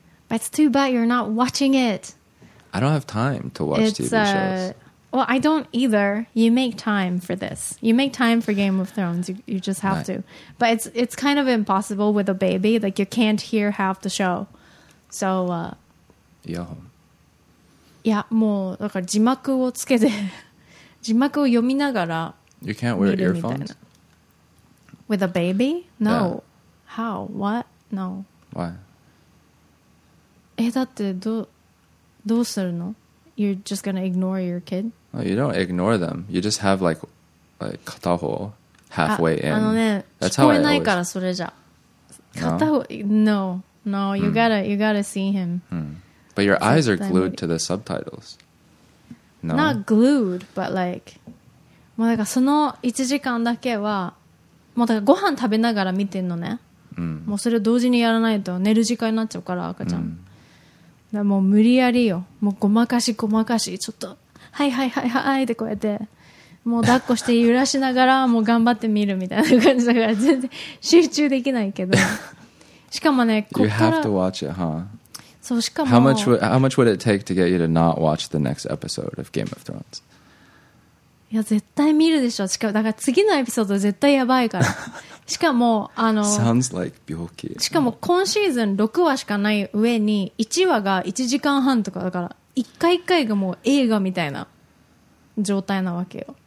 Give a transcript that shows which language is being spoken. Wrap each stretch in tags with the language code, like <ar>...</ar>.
<en>But it's too bad you're not watching it. I don't have time to watch TV shows. Well, I don't either. You make time for this. You make time for Game of Thrones. You just have to. But it's kind of impossible with a baby. Like, you can't hear half the show. So, Yeah.</en> <ja>Yeah, もうだから字幕をつけて字幕を読みながら</ja> <en>You can't wear earphones? With a baby? No. Yeah. How? What? No. Why?</en> <ja>だってどうするの?</ja> <en>You're just gonna ignore your kid? No, you don't ignore them. You just have like 片方 halfway in.</en> <ja>あのね、</ja> <en>That's how</en> <ja>聞こえないからそれじゃ。</ja> <en>No. You gotta see him. Hmm. But your eyes are glued to the subtitles. No. Not glued, but like...</en> <ja>もうだからその1時間だけは、もうだからご飯食べながら見てんのね。 Mm. もうそれを同時にやらないと寝る時間になっちゃうから赤ちゃん、mm. だもう無理やりよもうごまかしちょっとはいはいはいはいってこうやってもう抱っこして揺らしながらもう頑張って見るみたいな感じだから全然集中できないけどしかもねこっから</ja> <en>You have to watch it, huh?</en> <ja>そうしかも</ja> <en>How much would it take to get you to not watch the next episode of Game of Thrones?</en> <ja>いや絶対見るでしょしかもだから次のエピソード絶対やばいからしかもあの</ja> <en>Sounds like 病気</en> <ja>しかも今シーズン6話しかない上に1話が1時間半とかだから1回1回がもう映画みたいな状態なわけよ</ja>